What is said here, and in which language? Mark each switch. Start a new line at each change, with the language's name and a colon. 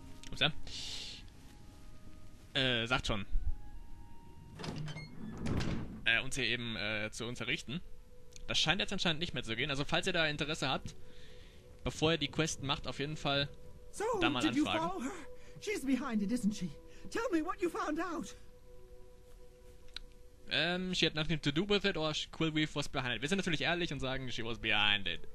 German: Ups, ja. Sagt schon. Uns hier eben zu unterrichten. Das scheint jetzt anscheinend nicht mehr zu gehen. Also falls ihr da Interesse habt, bevor ihr die Quest macht, auf jeden Fall so, da mal anfragen.
English: So, did you follow her? She's behind it, isn't she? Tell me what you found out. She had nothing to do with it, or Quillweave was behind it.
German: Wir sind natürlich ehrlich und sagen,
English: she was behind it.